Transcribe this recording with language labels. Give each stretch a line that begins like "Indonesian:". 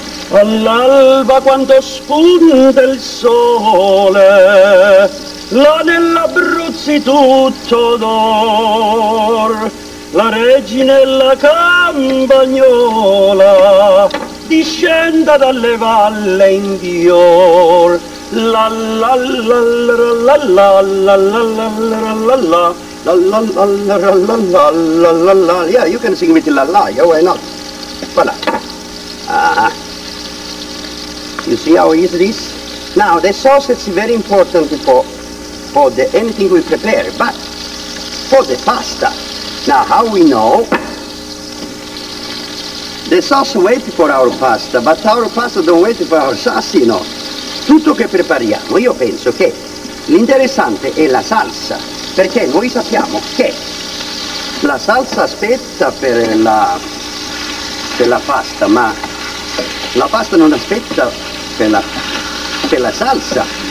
Italian: All'alba quando spunta il sole, là nell'Abruzzi tutto d'or, la regina e la campagnola discenda dalle valle in dior. La la la la la la la la la la la la la la la la la la la la la la la.
English: Yeah, you can sing with la la, yeah, why not? Voilà. You see how easy it is? Now, the sauce is very important for the anything we prepare, but for the pasta. Now, how we know? The sauce waits for our pasta, but our pasta don't wait for our sauce, you know.
Italian: Tutto che prepariamo, io penso che l'interessante è la salsa, perché noi sappiamo che la salsa aspetta per la pasta, ma la pasta non aspetta per la salsa.